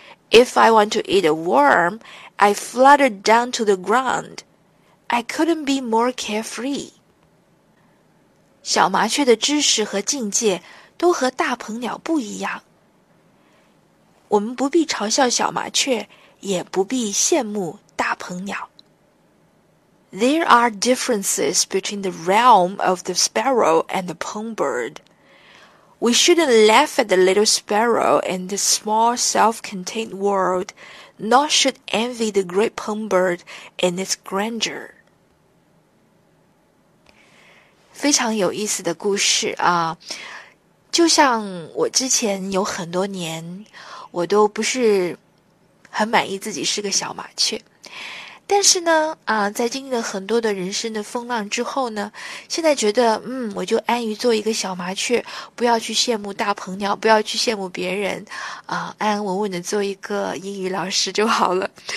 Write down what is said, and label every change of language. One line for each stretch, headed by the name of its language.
English: If I want to eat a worm, I flutter down to the ground. I couldn't be more carefree.
Chinese: 小麻雀的知识和境界都和大鹏鸟不一样。我们不必嘲笑小麻雀，也不必羡慕大鹏鸟。
English: There are differences between the realm of the sparrow and the hummingbird. We shouldn't laugh at the little sparrow in the small self-contained world, nor should envy the great hummingbird in its grandeur.
Chinese: 非常有意思的故事啊，就像我之前有很多年，我都不是很满意自己是个小麻雀，但是呢，在经历了很多的人生的风浪之后呢，现在觉得，我就安于做一个小麻雀，不要去羡慕大鹏鸟，不要去羡慕别人，安安稳稳的做一个英语老师就好了，